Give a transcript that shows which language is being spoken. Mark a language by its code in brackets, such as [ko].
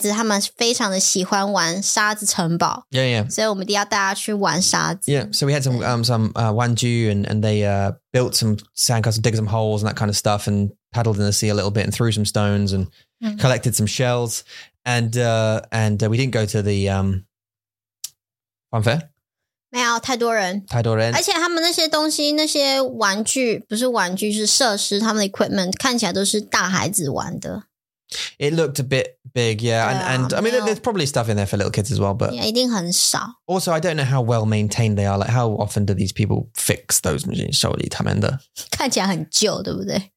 [zh] 小小的沙子的。对,因为我们的孩子他们非常的喜欢玩沙子城堡. [en] Yeah, yeah. [zh] 所以我们一定要带他去玩沙子. [en] Yeah, so we had some 玩具 and they built some sandcastles, dig some holes and that kind of stuff and paddled in the sea a little bit and threw some stones and collected some shells. And we didn't go to the funfair. [zh] 没有太多人。而且他们那些东西、那些玩具，不是玩具，是设施。他们的 equipment 看起来都是大孩子玩的。It [en] looked a bit big, yeah. And I mean, there's probably stuff in there for little kids as well, but [zh] 一定很少。 [en] Also, I don't know how well maintained they are. Like, how often do these people fix those machines? [zh] 手里他们的看起来很旧，对不对？